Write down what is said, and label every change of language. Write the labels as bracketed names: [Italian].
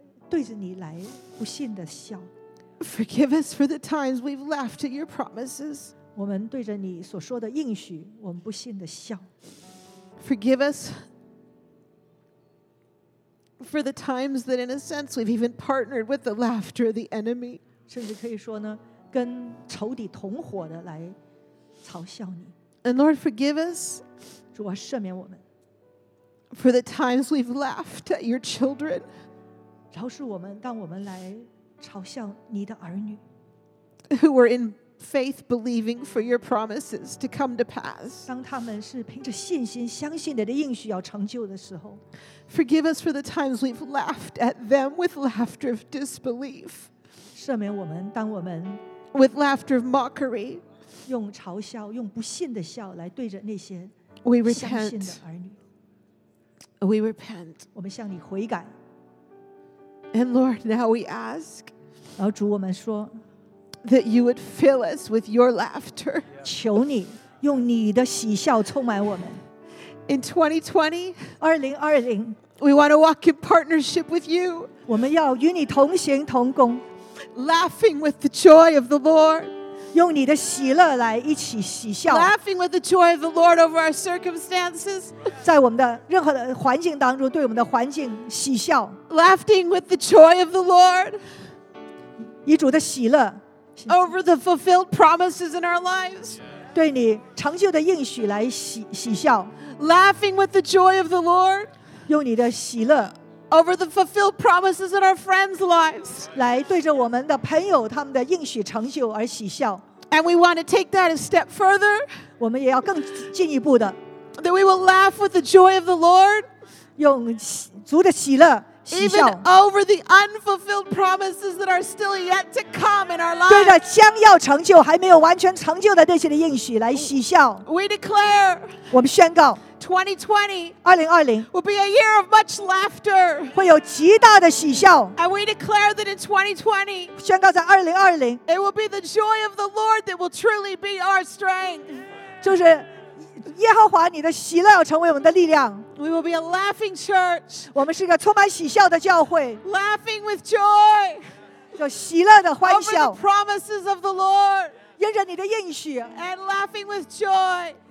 [Chinese] 为着我们来对着你来不信的笑。 [English] Forgive us for the times we've laughed at your promises. [Chinese] 我们对着你所说的应许, 我们不信的笑。 [English] Forgive us for the times that, in a sense, we've even partnered with the laughter of the enemy. [Chinese] 甚至可以说呢, 跟仇敌同伙的来嘲笑你。 [English] And Lord, forgive us. [Chinese] 主啊, 赦免我们。 [English] For the times we've laughed at your children. [Chinese] 饶恕我们, 当我们来 嘲笑你的儿女, [English] who were in faith believing for your promises to come to pass. [Chinese] 当他们是凭着信心相信你的应许要成就的时候, [English] forgive us for the times we've laughed at them with laughter of disbelief. [Chinese] 赦免我们当我们 [English] with laughter of mockery. [Chinese] 用嘲笑, 用不信的笑来对着那些 [English] we repent. We repent. [Chinese] 我们向你悔改。 [English] And Lord, now we ask [Chinese] 然后主我们说, [English] that you would fill us with your laughter. [Chinese] 求你用你的喜笑充满我们。 [English] In 2020, 2020, we want to walk in partnership with you. [Chinese] 我们要与你同行同工, [English] laughing with the joy of the Lord. [Chinese] 用你的喜乐来一起喜笑, [English] laughing with the joy of the Lord over our circumstances. [Chinese] 在我们的任何的环境当中对我们的环境喜笑, [English] laughing with the joy of the Lord [Chinese] 以主的喜乐, [English] over the fulfilled promises in our lives. [Chinese] 对你成就的应许来喜笑, [English] laughing with the joy of the Lord [Chinese] 用你的喜乐, [English] over the fulfilled promises in our friends' lives. [Chinese] 来对着我们的朋友他们的应许成就而喜笑。 [English] And we want to take that a step further. [Chinese] 我们也要更进一步的。 [English] That we will laugh with the joy of the Lord. [Chinese] 用主的喜乐, [English] even over the unfulfilled promises that are still yet to come in our lives. [Chinese] 对着将要成就还没有完全成就的那些的应许来喜笑。 [English] We declare [Chinese] 我们宣告, [English] 2020 will be a year of much laughter. [Chinese] 会有极大的喜笑。 [English] And we declare that in 2020, [Chinese] 宣告在2020, [English] it will be the joy of the Lord that will truly be our strength. [Chinese] 就是耶和华你的喜乐要成为我们的力量。 [English] We will be a laughing church. [Chinese] 我们是一个充满喜笑的教会。 [English] Laughing with joy. [Chinese] 有喜乐的欢笑。 [English] Over the promises of the Lord. [Chinese] 因着你的应许。 [English] And laughing with joy.